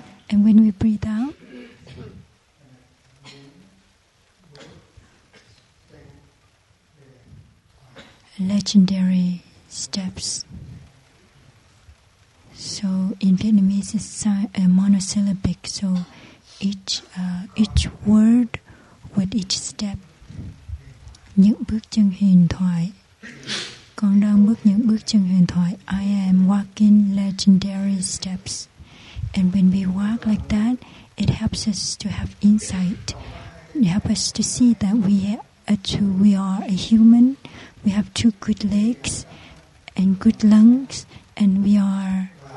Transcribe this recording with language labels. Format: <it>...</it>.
<en>And when we breathe out, legendary steps. So in Vietnamese, it's monosyllabic. So each word with each step.</en> <vi>Những bước chân huyền thoại. Con đang bước những bước chân huyền thoại.</vi> <en>I am walking legendary steps. And when we walk like that, it helps us to have insight. It helps us to see that we are a human. We have two good legs and good lungs, and we are</en>